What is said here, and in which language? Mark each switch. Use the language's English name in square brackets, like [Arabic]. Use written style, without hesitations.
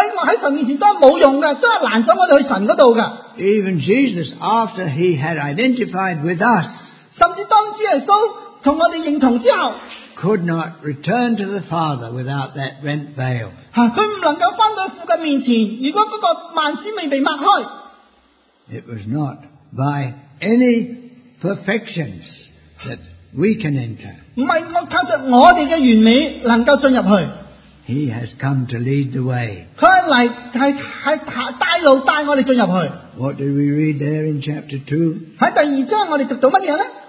[Chinese] 但最好的善行在神面前都是没用的, [English] even Jesus, after he had identified with us, [Chinese] 甚至当主耶稣和我们认同之后, [English] could not return to the Father without that rent veil. [Chinese] 他不能够回到父的面前, [English] it was not by any perfections that we can enter. [Chinese] 不是靠着我们的完美能够进入去, [English] he has come to lead the way. [Chinese] 他是带路带我们进入去, [English] what did we read there in chapter 2? [Chinese] 在第二章我们读到什么呢?